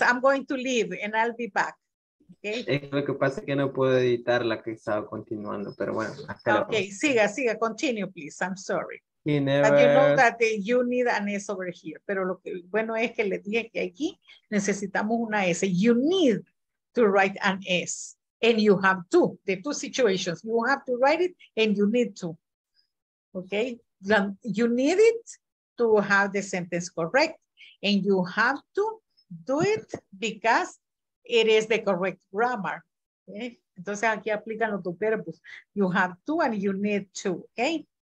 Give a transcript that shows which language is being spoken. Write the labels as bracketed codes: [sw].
[en] I'm going to leave and I'll be back. Okay. [es] Lo que pasa es que no puedo editar la que estaba continuando, pero bueno. Hasta ok, luego. Siga, [en] continue, please. I'm sorry. He never... But you know that you need an S over here. [es] Pero lo que bueno es que le dije que aquí necesitamos una S. [en] You need to write an S. And you have to. The two situations. You have to write it and you need to. Okay? You need it to have the sentence correct. And you have to do it because it is the correct grammar. Okay? [es] Entonces aquí aplican los dos verbos. [en] You have to and you need to. Okay?